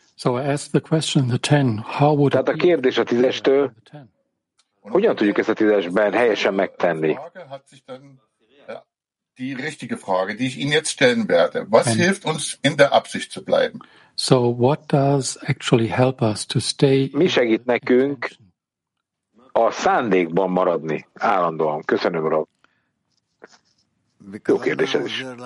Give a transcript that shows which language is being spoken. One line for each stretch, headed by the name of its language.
Hungarian: Tehát a kérdés a tízestől, hogyan tudjuk ezt a tízesben helyesen megtenni?
German: Die richtige Frage, die ich Ihnen jetzt stellen werde. Was hilft uns, in der Absicht zu bleiben?
English: So what does actually help us to stay?
Hungarian: Mi segít nekünk a szándékban maradni állandóan? Köszönöm, Rob. Jó kérdés ez is.